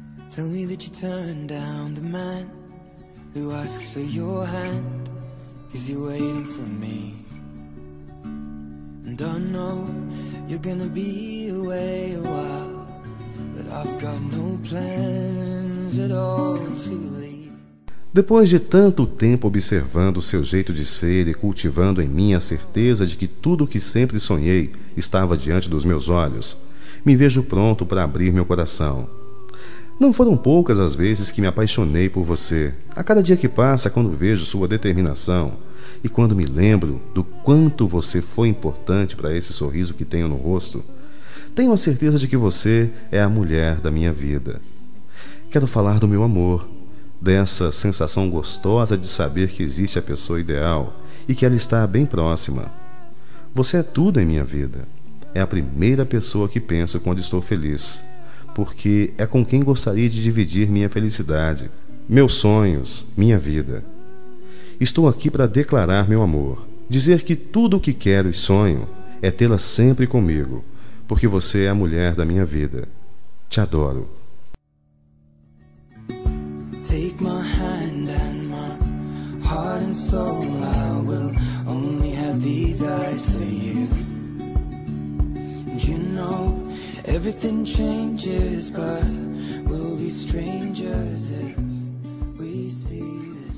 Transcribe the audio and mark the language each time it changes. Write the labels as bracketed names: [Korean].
[English] Tell me that you turned down the man who asks for your hand, 'cause you're waiting for me. And I know you're gonna be away a while, but I've got no plans at all to leave. [Portuguese] Depois de tanto tempo observando seu jeito de ser e cultivando em mim a certeza de que tudo o que sempre sonhei estava diante dos meus olhos, me vejo pronto para abrir meu coração. Não foram poucas as vezes que me apaixonei por você. A cada dia que passa, quando vejo sua determinação e quando me lembro do quanto você foi importante para esse sorriso que tenho no rosto, tenho a certeza de que você é a mulher da minha vida. Quero falar do meu amor, dessa sensação gostosa de saber que existe a pessoa ideal e que ela está bem próxima. Você é tudo em minha vida. É a primeira pessoa que penso quando estou feliz, porque é com quem gostaria de dividir minha felicidade, meus sonhos, minha vida. Estou aqui para declarar meu amor, dizer que tudo o que quero e sonho é tê-la sempre comigo, porque você é a mulher da minha vida. Te adoro. [English] Take my hand and my heart and soul, I will only have these eyes for you. And you know everything changes, but we'll be strangers if we see you.